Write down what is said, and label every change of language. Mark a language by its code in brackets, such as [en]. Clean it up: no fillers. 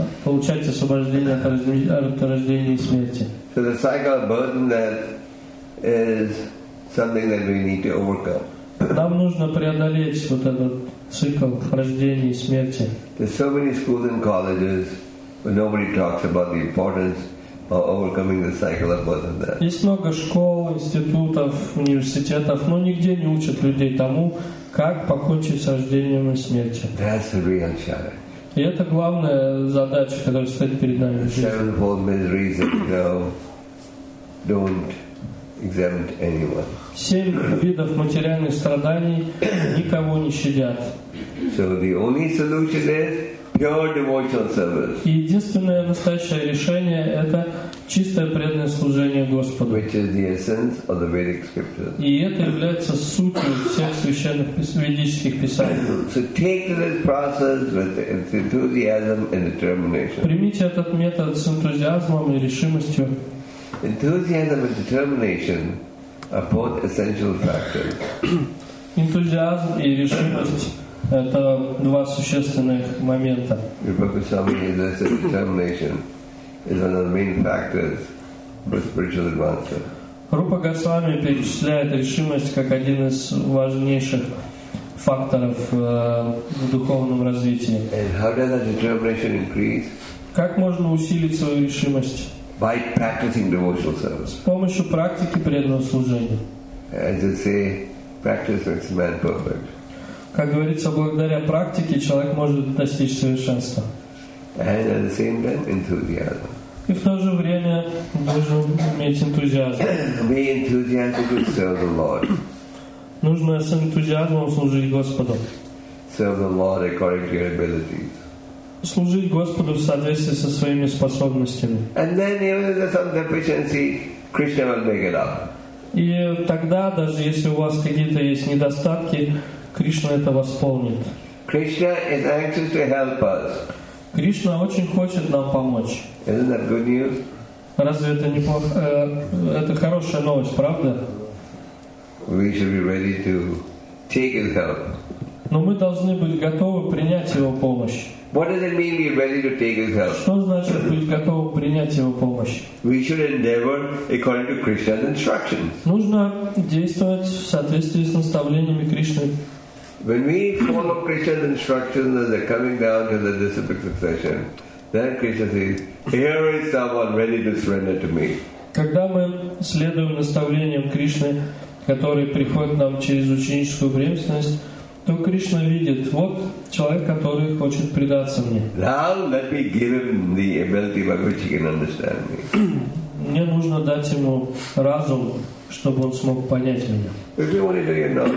[ru] Получать освобождение от рождения и смерти. [en] So the cycle of birth and death is something that we need to overcome. [ru] Нам нужно преодолеть вот этот цикл рождения и смерти. [en] There's so many schools and colleges, but nobody talks about the importance of overcoming the cycle of birth and death. [ru] Есть много школ, институтов, университетов, но нигде не учат людей тому, как покончить с рождением и смертью. [en] That's the real challenge. [ru] И это главная задача, которая стоит перед нами. [en] The sevenfold miseries that you know don't exempt anyone. [ru] Семь видов материальных страданий никого не щадят. [en] So the only solution is pure devotional service. [ru] И единственное настоящее решение – это чистое преданное служение Господу. [en] Which is the essence of the Vedic scriptures. [ru] И это является сутью всех священных ведических писаний. [en] So take this process with enthusiasm and determination. [ru] Примите этот метод с энтузиазмом и решимостью. [en] Enthusiasm and determination are both essential factors. [ru] Энтузиазм и решимость – это два существенных момента. [en] Is one of the main factors for spiritual advancement. [ru] Рупа Госвами перечисляет решимость как один из важнейших факторов в духовном развитии. [en] And how does that determination increase? [ru] Как можно усилить свою решимость? [en] By practicing devotional service. [ru] С помощью практики преданного служения. [en] As they say, practice makes man perfect. [ru] Как говорится, благодаря практике человек может достичь совершенства. [en] And at the same time, enthusiasm. [ru] И в то же время нужно иметь энтузиазм. [en] Be enthusiastic to serve the Lord. [ru] Нужно с энтузиазмом служить Господу. [en] Serve the Lord according to your abilities. [ru] Служить Господу в соответствии со своими способностями. [en] And then, even if there's some deficiency, Krishna will make it up. [ru] И тогда, даже если у вас какие-то есть недостатки, Кришна это восполнит. [en] Krishna is anxious to help us. [ru] Кришна очень хочет нам помочь. [en] Isn't that good news? [ru] Разве это не плохо? Это хорошая новость, правда? [en] We should be ready to take his help. [ru] Но мы должны быть готовы принять его помощь. [en] What does it mean be ready to take his help? [ru] Что значит быть готовым принять его помощь? [en] We should endeavor according to Krishna's instructions. [ru] Нужно действовать в соответствии с наставлениями Кришны. [en] When we follow Krishna's instructions as they're coming down to the disciplic succession, then Krishna says, "Here is someone ready to surrender to me." [ru] Когда мы следуем наставлениям Кришны, которые приходят нам через ученическую преемственность, то Кришна видит, вот человек, который хочет предаться мне. [en] Now let me give him the ability by which he can understand me. [ru] Мне нужно дать ему разум, чтобы он смог понять меня.